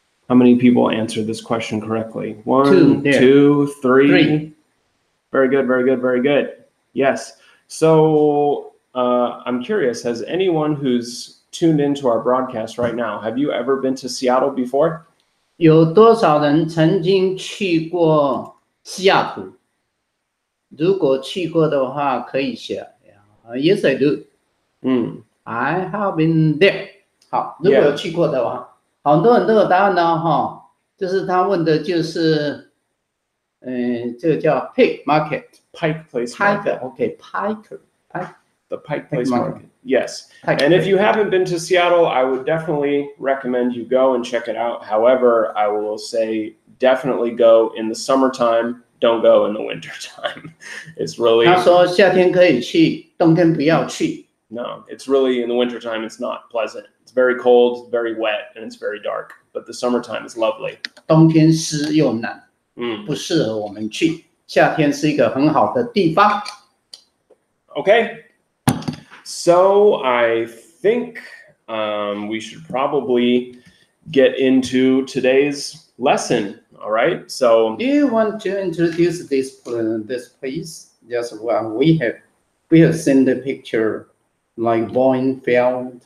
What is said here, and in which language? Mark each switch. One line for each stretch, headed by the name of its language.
English: How many people answered this question correctly? One, two, three. Very good, very good, very good. Yes. So I'm curious, has anyone who's tuned into our broadcast right now, have you ever been to Seattle before?
Chinese: 有多少人曾经去过西雅图？如果去过的话，可以写
English: Yes, I do. I have been there.
Chinese: 好，如果有去过的话、
English: yeah.
Chinese: 好多人都有答案呢、哦、就是他问的就是这个叫 Pike Market.
English: Pike Place Market. OK, Pike. The Pike Place Market. Yes. And if you haven't been to Seattle, I would definitely recommend you go and check it out. However, I will say definitely go in the summertime. Don't go in the wintertime. It's really...
Chinese: 他说夏天可以去，冬天不要去。
English: No, it's really in the wintertime, it's not pleasant. It's very cold, very wet, and it's very dark. But the summertime is lovely.
Chinese: 冬天湿又冷。不适合我们去，夏天是一个很好的地方。
English: Okay, so I think we should probably get into today's lesson, all right? So, do you want to introduce this place? Yes, well, we have seen the picture like Boeing Field.